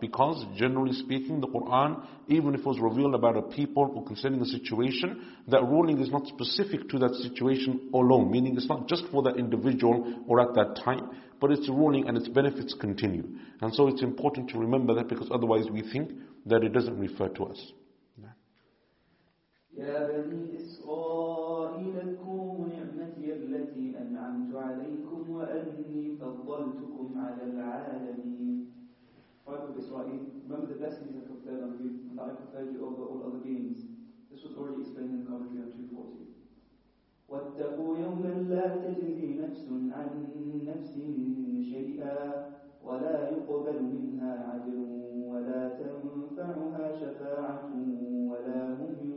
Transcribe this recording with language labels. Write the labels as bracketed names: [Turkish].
[English] Because generally speaking, the Qur'an, even if it was revealed about a people or concerning a situation, that ruling is not specific to that situation alone. Meaning it's not just for that individual or at that time, but it's a ruling and its benefits continue. And so it's important to remember that, because otherwise we think that it doesn't refer to us. [Arabic] يا بني إسرائيل اذكروا نعمتي التي أنعمت عليكم وأني فضلتكم على العالمين. [English] Father of Israel, remember the blessings I have conferred on you, and that I conferred you over all other beings. This was already explained in the commentary on 240. [Arabic] واتقوا يوما لا تجزي نفس عن نفس شيئا ولا يقبل منها عدل ولا تنفعها شفاعة ولا هم.